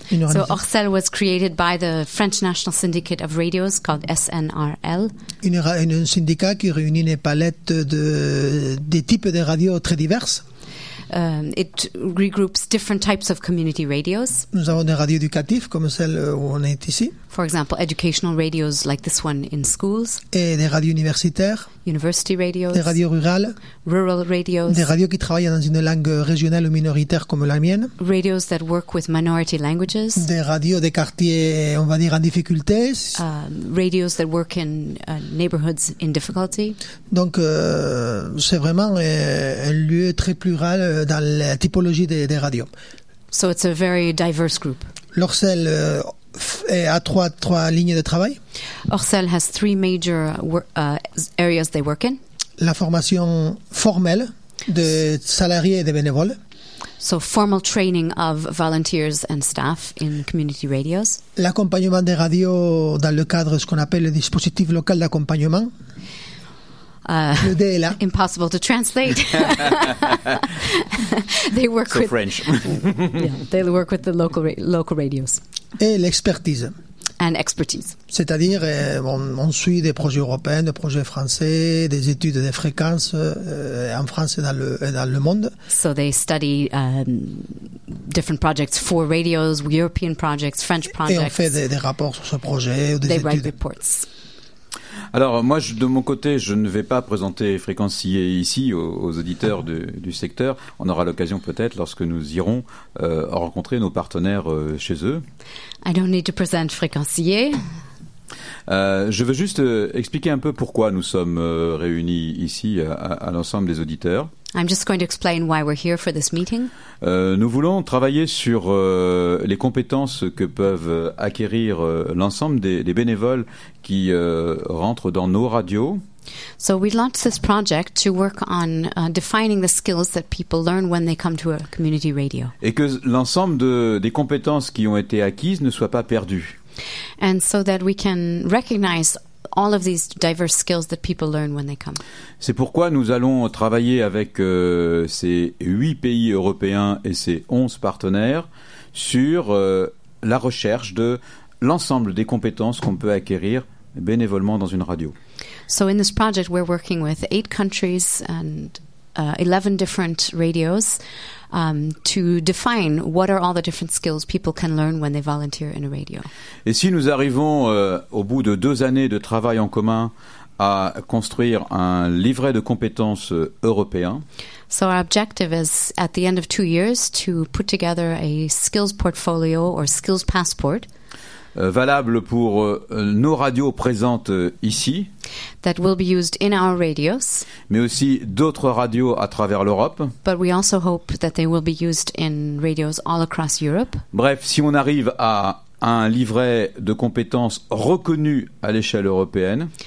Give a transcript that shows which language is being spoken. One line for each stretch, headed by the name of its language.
English: So, ORCEL was created by the French National Syndicate of Radios, called SNRL.
French: Un syndicat qui réunit une palette des types de radios très diverses.
English: It regroups different types of community radios.
French: Nous avons des radios éducatives comme celle où on est ici.
English: For example, educational radios like this one in schools.
French: Et des radios universitaires.
English: University radios.
French: Des radios rurales.
English: Rural radios.
French: Des radios qui travaillent dans une langue régionale ou minoritaire comme la mienne.
English: Radios that work with minority languages.
French: Des radios des quartiers, on va dire, en difficulté.
English: Radios that work in neighborhoods in difficulty.
French: Donc, c'est vraiment un lieu très plural dans la typologie des radios.
English: So it's a very diverse group.
French: L'ORCEL a trois lignes de travail.
English: ORCEL has three major areas they work in.
French: La formation formelle de salariés et de bénévoles.
English: So formal training of volunteers and staff in community radios.
French: L'accompagnement des radios dans le cadre de ce qu'on appelle le dispositif local d'accompagnement. Le DLA.
English: Impossible to translate. They work so with French. Yeah, they work with the local radios.
French: Et l'expertise.
English: And expertise.
French: C'est-à-dire, on suit des projets européens, des projets français, des études des fréquences en France et dans le monde.
English: So they study different projects for radios, European projects, French projects.
French: Et on fait des rapports sur ce projet ou des
English: they
French: études.
English: They write reports.
French: Alors, moi, de mon côté, je ne vais pas présenter Fréquence ici aux auditeurs du secteur. On aura l'occasion peut-être, lorsque nous irons rencontrer nos partenaires chez eux.
English: I don't need to present Fréquence.
French: Je veux juste expliquer un peu pourquoi nous sommes réunis ici à l'ensemble des auditeurs.
English: I'm just going to explain why we're here for this meeting.
French: Nous voulons travailler sur les compétences que peuvent acquérir l'ensemble des bénévoles qui rentrent dans nos radios.
English: So we launched this project to work on defining the skills that people learn when they come to a community radio.
French: Et que l'ensemble des compétences qui ont été acquises ne soient pas perdues.
English: And so that we can recognize all of these diverse skills that people learn when they come.
French: C'est pourquoi nous allons travailler avec ces 8 pays européens et ces 11 partenaires sur la recherche de l'ensemble des compétences qu'on peut acquérir bénévolement dans une radio.
English: So in this project we're working with 8 countries and 11 different radios to define what are all the different skills people can learn when they volunteer in a radio.
French: Et si nous arrivons au bout de 2 années de travail en commun à construire un livret de compétences européen.
English: So our objective is at the end of 2 years to put together a skills portfolio or skills passport
French: valable pour nos radios présentes ici.
English: That will be used in our radios,
French: mais aussi d'autres radios à travers l'Europe.
English: But we also hope that they will be used in radios all across Europe.
French: Bref, si on arrive à un livret de compétences reconnu à l'échelle européenne,